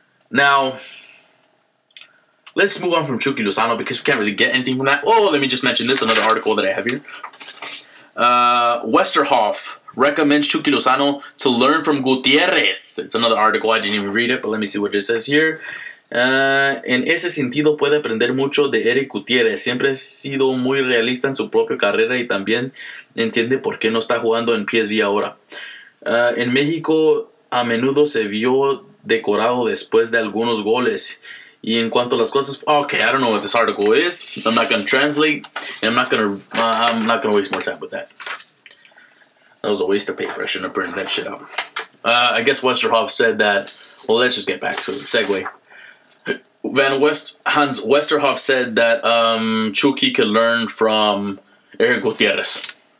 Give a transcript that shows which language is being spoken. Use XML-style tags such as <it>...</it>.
<en>Now, let's move on from Chucky Lozano because we can't really get anything from that. Oh, let me just mention this. Another article that I have here. Westerhoff recommends Chucky Lozano to learn from Gutierrez. It's another article. I didn't even read it, but let me see what it says here.</en> <es>En ese sentido, puede aprender mucho de Eric Gutierrez. Siempre ha sido muy realista en su propia carrera y también entiende por qué no está jugando en PSV ahora. En México, a menudo se vio decorado después de algunos goles. Y en cuanto a las cosas...</es> <en>Okay, I don't know what this article is. I'm not going to translate. And I'm not gonna waste more time with that. That was a waste of paper. I shouldn't have printed that shit out. I guess Westerhoff said that... Well, let's just get back to it. Segue. Hans Westerhoff said that Chucky could learn from Eric Gutierrez.</en>